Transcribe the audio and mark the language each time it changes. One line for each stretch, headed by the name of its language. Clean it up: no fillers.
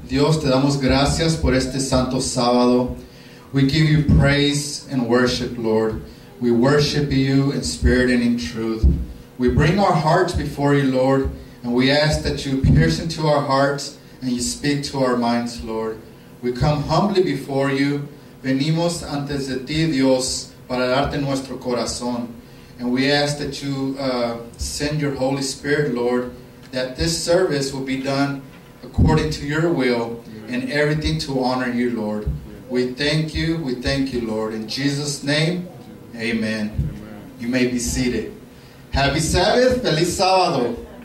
Spanish: Dios, te damos gracias por este santo sábado.
English: We give you praise and worship, Lord. We worship you in spirit and in truth. We bring our hearts before you, Lord. And we ask that you pierce into our hearts and you speak to our minds, Lord. We come humbly before you.
Spanish: Venimos antes de ti, Dios, para darte nuestro corazón.
English: And we ask that you send your Holy Spirit, Lord, that this service will be done according to your will and everything to honor you, Lord. We thank you. We thank you, Lord. In Jesus' name, amen. Amen. You may be seated. Happy Sabbath.
Spanish: Feliz Sábado.